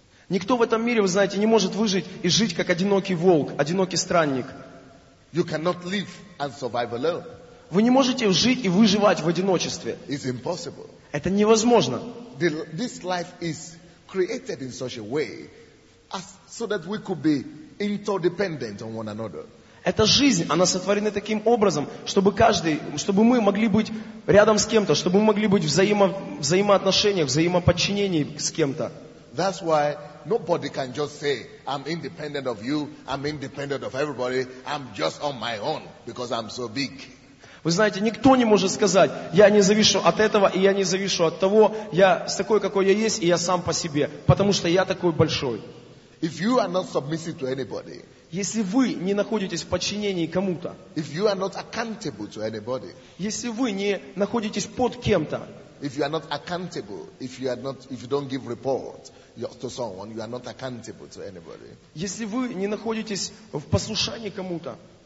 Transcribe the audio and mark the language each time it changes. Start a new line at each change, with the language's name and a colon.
Russian: Никто в этом мире, вы знаете, не может выжить и жить как одинокий волк, одинокий странник.
English: You cannot live and survive alone.
Russian: Вы не можете жить и выживать в одиночестве.
English: It's impossible.
Russian: Это невозможно.
English: This life is created in such a way as so that we could be interdependent on one another.
Russian: Эта жизнь, она сотворена таким образом, чтобы каждый, чтобы мы могли быть рядом с кем-то, чтобы мы могли быть в взаимоотношениях, взаимоподчинении с кем-то.
English: That's why nobody can just say, I'm independent of you, I'm independent of everybody, I'm just on my own, because I'm so big.
Russian: Вы знаете, никто не может сказать, я не завишу от этого, и я не завишу от того, я такой, какой я есть, и я сам по себе, потому что я такой большой.
English: If you are not submissive to anybody,
Russian: если вы не находитесь в подчинении кому-то,
English: if you are not accountable to anybody,
Russian: если вы не находитесь под кем-то,
English: if you are not accountable, if you are not, if you don't give report to someone, you are not accountable to anybody.
Russian: Если вы не находитесь в послушании кому-то,